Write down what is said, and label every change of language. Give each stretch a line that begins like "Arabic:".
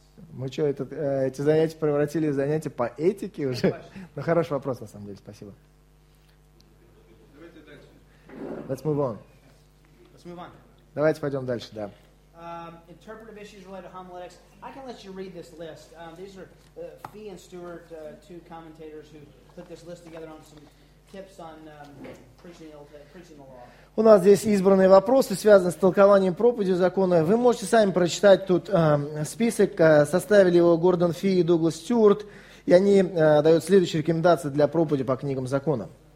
Russian: Мы что, эти занятия превратили в занятия по этике уже? Ну, хороший вопрос, на самом деле, спасибо.
English: Let's move on. Let's move on.
Russian: Давайте пойдем дальше, да.
English: Interpretive issues related to homiletics. I can let you read this list. These are Fee and Stewart, two commentators who put this list together on some tips on preaching the law.
Russian: У нас здесь избранные вопросы, связанные с толкованием проповеди закона. Вы можете сами прочитать тут список. Составили его Гордон Фи и Дуглас Стюарт. И они дают следующие рекомендации для проповеди по книгам закона.